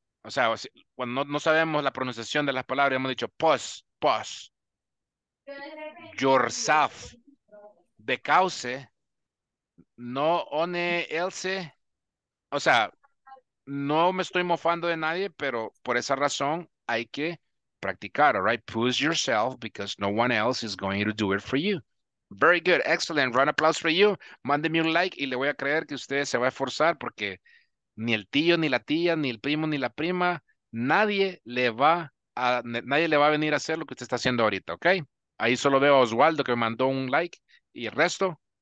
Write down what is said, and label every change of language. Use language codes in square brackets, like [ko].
[es] O sea, cuando no sabemos la pronunciación de las palabras, hemos dicho, posh. Yourself, de cause, no one else, o sea, no me estoy mofando de nadie, pero por esa razón hay que practicar, all right? [en] Push yourself because no one else is going to do it for you. Very good, excellent, round of applause for you. [es] Mándeme un like y le voy a creer que usted se va a esforzar porque ni el tío, ni la tía, ni el primo, ni la prima, nadie le va a venir a hacer lo que usted está haciendo ahorita, ¿ok? Ahí solo veo a Oswaldo que me mandó un like y el resto.